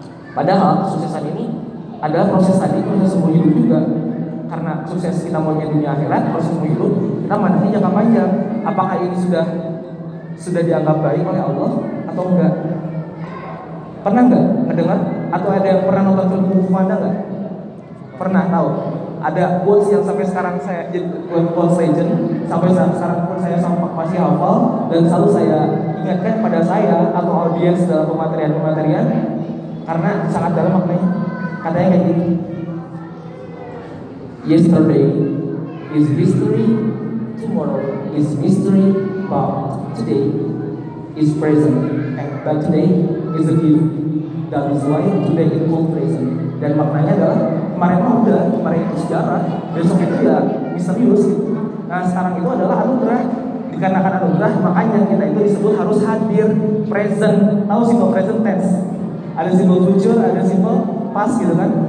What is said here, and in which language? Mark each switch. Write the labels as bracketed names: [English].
[Indonesian] Padahal kesuksesan ini adalah proses tadi, proses semua hidup juga, karena sukses kita mau di dunia akhirat, proses semua hidup kita mananya jangka panjang, apakah ini sudah dianggap baik oleh Allah atau enggak? Pernah enggak mendengar? Atau ada yang pernah nonton film Ufanda enggak? pernah tahu ada quotes yang sampai sekarang saya quotes legend, sampai sekarang pun saya sama masih hafal dan selalu saya ingatkan pada saya atau audiens dalam pematerian-pematerian karena sangat dalam maknanya. Katanya kayak gini, [English] yesterday is history, tomorrow is mystery, but today is present, but today is a gift. That is why today is called present. [Indonesian] Dan maknanya adalah kemarin mah udah, kemarin itu sejarah, besok itu ya misterius. Nah sekarang itu adalah anugerah. Dikarenakan anugerah, makanya kita itu disebut harus hadir present. Tahu simple present tense. Ada simple future, ada simple past gitu kan.